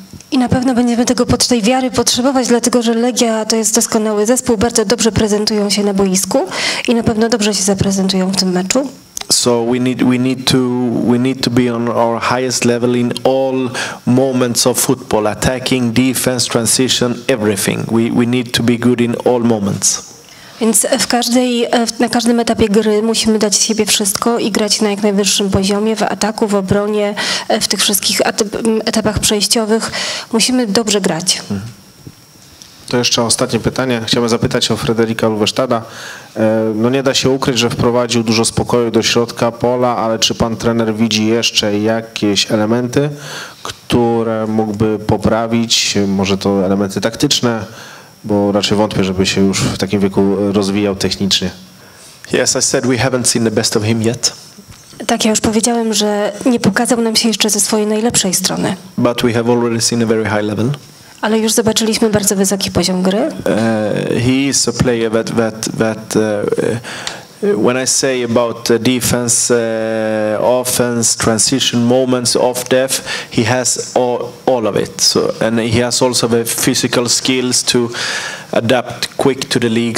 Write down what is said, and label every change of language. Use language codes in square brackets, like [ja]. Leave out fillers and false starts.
[pl] I na pewno będziemy tego pod tej wiary potrzebować, dlatego że Legia to jest doskonały zespół, bardzo dobrze prezentują się na boisku i na pewno dobrze się zaprezentują w tym meczu. [en] So we need to be on our highest level in all moments of football, attacking, defense, transition, everything. We need to be good in all moments. [pl] Więc na każdym etapie gry musimy dać z siebie wszystko i grać na jak najwyższym poziomie, w ataku, w obronie, w tych wszystkich etapach przejściowych. Musimy dobrze grać. To jeszcze ostatnie pytanie. Chciałbym zapytać o Frederika Lubesztada. No nie da się ukryć, że wprowadził dużo spokoju do środka pola, ale czy pan trener widzi jeszcze jakieś elementy, które mógłby poprawić? Może to elementy taktyczne? Bo raczej wątpię, żeby się już w takim wieku rozwijał technicznie. [en] Yes, I said we haven't seen the best of him yet. [pl] Tak, ja już powiedziałem, że nie pokazał nam się jeszcze ze swojej najlepszej strony. [en] But we have already seen a very high level. [pl] Ale już zobaczyliśmy bardzo wysoki poziom gry. [en] He is a player that when I say about defense, offense, transition moments, off depth, he has all of it. So, and he has also the physical skills to adapt quick to the league.